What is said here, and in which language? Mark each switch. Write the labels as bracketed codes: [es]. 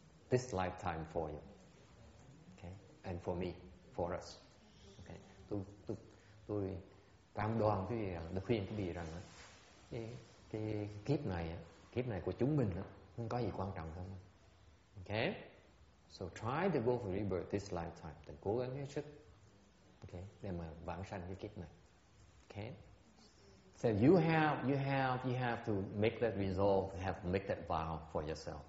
[en] This lifetime for you, okay, and for me, for us, okay. [vi] Tôi cam đoan quý vị rằng, tôi khuyên quý vị rằng, cái kiếp này của chúng mình không có gì quan trọng hơn, okay. [en] So try to go for rebirth this lifetime. [vi] Thì cố gắng hết sức, okay, để mà vãng sanh cái kiếp này, okay. [en] So you have to make that resolve, have to make that vow for yourself.